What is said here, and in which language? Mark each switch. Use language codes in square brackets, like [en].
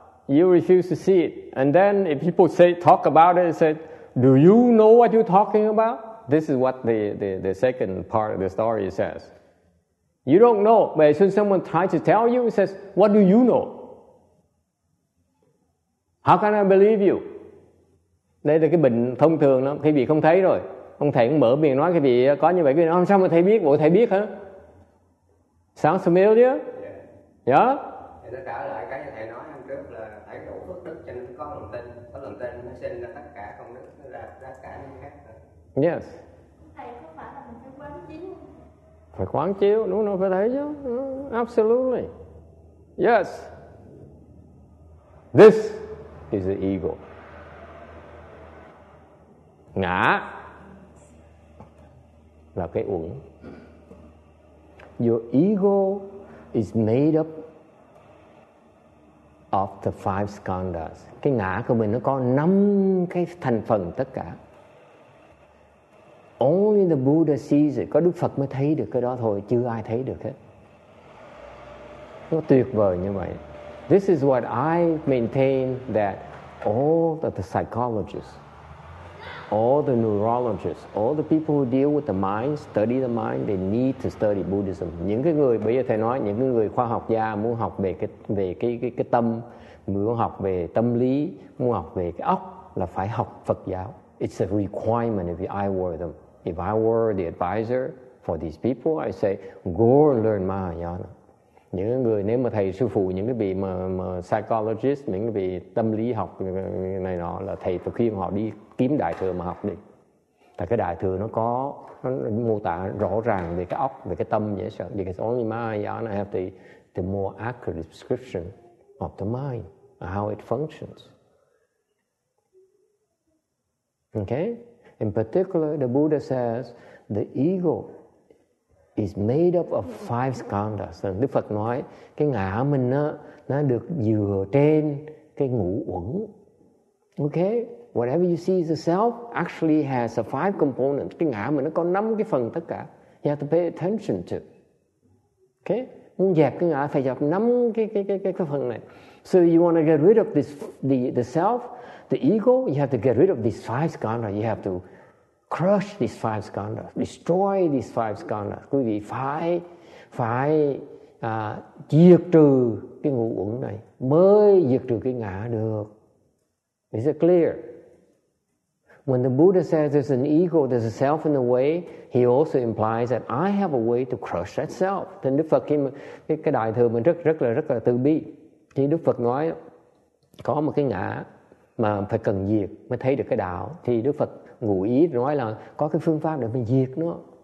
[en] You refuse to see it. And then if people talk about it, say, do you know what you're talking about? This is what the second part of the story says. You don't know. But as soon as someone tries to tell you, it says, what do you know? How can I believe you? [vi] Đây là cái bệnh thông thường lắm. Quý vị không thấy rồi. Ông thầy cũng mở miệng nói cái gì có như vậy. Quý vị nói, sao mà thầy biết? Bộ thầy biết hả? [en] Sounds familiar? Yeah. Yeah? [vi] Thì nó trả lại cái thầy nói hôm trước là phải đủ phước đức cho nên có lòng tin. Có lòng tin nó sinh ra tất cả công đức, nó ra tất cả những khác nữa. [en] Yes. [vi] Thầy có phải là mình phải quán chiếu? Phải quán chiếu, đúng rồi, phải thấy chứ. [en] Absolutely. Yes. This is the ego. [vi] Ngã là cái uẩn. [en] Your ego is made up of the 5 skandhas. [vi] Cái ngã của mình nó có 5 cái thành phần tất cả. [en] Only the Buddha sees it. [vi] Có Đức Phật mới thấy được cái đó thôi, chưa ai thấy được hết. Nó tuyệt vời như vậy. [en] This is what I maintain, that all of the psychologists, all the neurologists, all the people who deal with the mind, study the mind, they need to study Buddhism. [vi] Những cái người bây giờ thầy nói, những cái người khoa học gia muốn học về cái tâm, muốn học về tâm lý, muốn học về cái óc là phải học Phật giáo. [en] It's a requirement if I were them. If I were the advisor for these people, I say go and learn Mahayana. [vi] Những người nếu mà thầy sư phụ những cái vị mà psychologist, những cái vị tâm lý học này nọ, là thầy phải khuyên họ đi kiếm đại thừa mà học đi. Tại cái đại thừa nó mô tả rõ ràng về cái óc, về cái tâm dễ sợ. [en] Because only Mahayana have the more accurate description of the mind, how it functions. Okay? In particular, the Buddha says the ego is made up of 5 skandhas. [vi] Đức Phật nói cái ngã mình nó được dựa trên cái ngũ uẩn. [en] Okay? Whatever you see is a self actually has a 5 components. [vi] Cái ngã mình nó có 5 cái phần tất cả. [en] You have to pay attention to. Okay? [vi] muốn dẹp cái ngã, phải dẹp nắm cái phần này. [en] So you want to get rid of this, the self, the ego, you have to get rid of these five skandhas. You have to crush these five skandhas, destroy these five skandhas. [vi] Quý vị phải diệt trừ cái ngũ uẩn này mới diệt trừ cái ngã được. [en] Is it clear? When the Buddha says there's an ego, there's a self in the way, he also implies that I have a way to crush that self. [vi] Thì Đức Phật cái đại thừa mình rất là từ bi. Thì Đức Phật nói có một cái ngã mà phải cần diệt mới thấy được cái đạo. Thì Đức Phật ngụ ý nói là có cái phương pháp để mình diệt nó.